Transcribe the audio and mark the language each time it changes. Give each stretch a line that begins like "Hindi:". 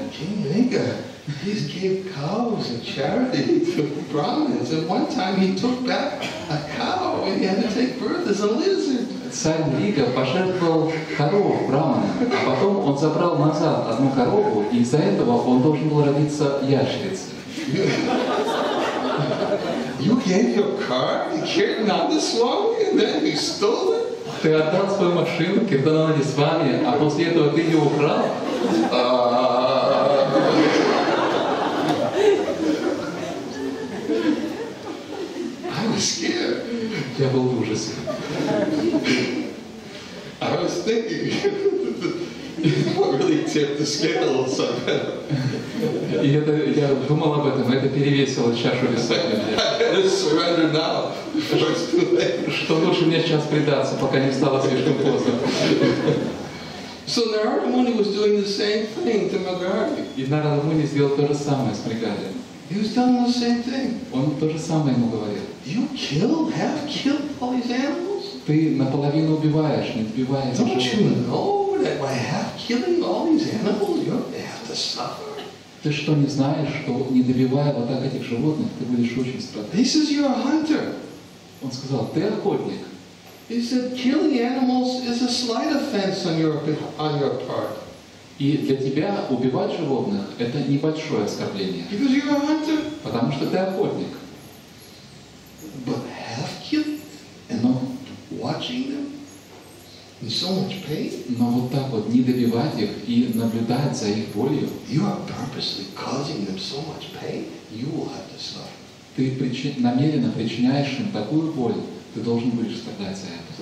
English: King Vrinda, he gave cows and charity to Brahmins, and one time he took back a cow and he had to take birth as a lizard.
Russian: Царь Нрига пожертвовал корову Брахманам, а потом он забрал назад одну корову, и из-за этого он должен был родиться ящерицей.
English: You gave your car, you gave another Swami, and then you stole it?
Russian: Ты отдал свою машину, Киртананди с вами, а после этого ты ее украл?
English: I was scared.
Russian: Я был в ужасе.
English: I was thinking, what really tipped the scale somehow?
Russian: Я думал об этом, это перевесило чашу веса.
English: Surrender now.
Russian: Что лучше мне сейчас предаться, пока не стало слишком поздно?
English: So Narada Muni was doing the same thing to Madhavi.
Russian: И Нарада Муни сделал то же самое с Мригари.
English: He was telling the same thing.
Russian: Он то же самое ему говорил.
English: You have killed all these animals?
Russian: Ты наполовину убиваешь, не убиваешь.
English: Don't you know that by half killing all these animals, you're going to have to suffer?
Russian: Ты что не знаешь, что не добивая вот так этих животных, ты будешь очень страдать?
English: He says you're a hunter.
Russian: Он сказал, ты охотник.
English: He said killing animals is a slight offense on your part.
Russian: И для тебя убивать животных это небольшое оскорбление.
English: Because you're a hunter.
Russian: Потому что ты охотник.
English: But half killing and not watching them in so much pain.
Russian: Но вот так вот не добивать их и наблюдать за их болью.
English: You are purposely causing them so much pain. You will have to suffer.
Russian: Ты намеренно причиняешь им такую боль, ты должен будешь страдать за это.